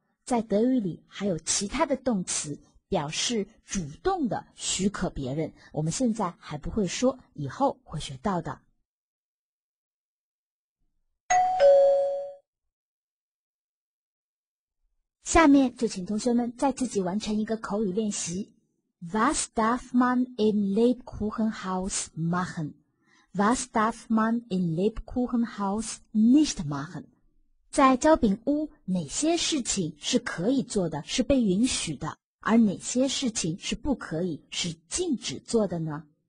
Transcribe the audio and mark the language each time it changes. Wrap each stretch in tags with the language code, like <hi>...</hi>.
<zh>在德语里还有其他的动词表示主动的许可别人，我们现在还不会说，以后会学到的。下面就请同学们再自己完成一个口语练习。</zh> <de>Was darf man im Lebkuchenhaus machen? Was darf man im Lebkuchenhaus nicht machen?</de> <zh>在焦饼屋哪些事情是可以做的，是被允许的，而哪些事情是不可以，是禁止做的呢？</zh>